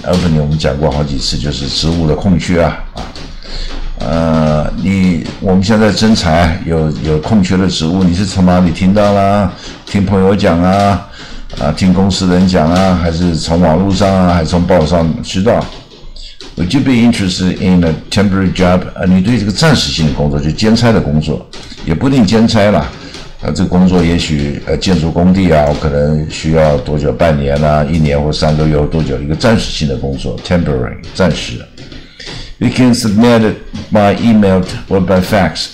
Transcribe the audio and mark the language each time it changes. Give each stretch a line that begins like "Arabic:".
Chinese: Opening 我们讲过好几次，就是职务的空缺啊啊。我们现在征才有空缺的职务，你是从哪里听到啦？听朋友讲啊，啊，听公司人讲啊，还是从网络上啊，还是从报上知道？
English: Would you be interested in a temporary job?
Chinese: 啊，你对这个暂时性的工作，就兼差的工作，也不一定兼差啦。啊，这个工作也许建筑工地啊，我可能需要多久？半年啊，一年或三个月，多久？一个暂时性的工作 ，temporary， 暂时。
English: You can submit it by email or by fax.